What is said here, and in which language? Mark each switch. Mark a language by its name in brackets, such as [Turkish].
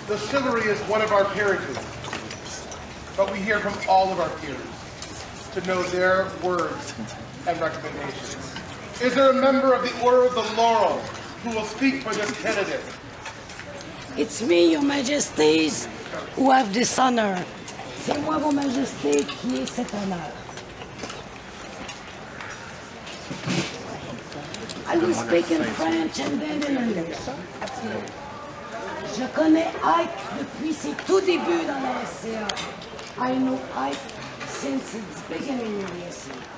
[English] Chivalry is one of our heritages, but we hear from all of our peers to know their words and recommendations. Is there a member of the Order of the Laurel who will speak for this candidate? It's me, Your Majesties, who have this honor. [French] C'est moi, Vos Majestés, qui ai cet honneur. [English] I will speak in French and then in English. [French] Je connais Ike depuis ses tout débuts dans la SCA. [English] I know Ike since its beginning in the SCA.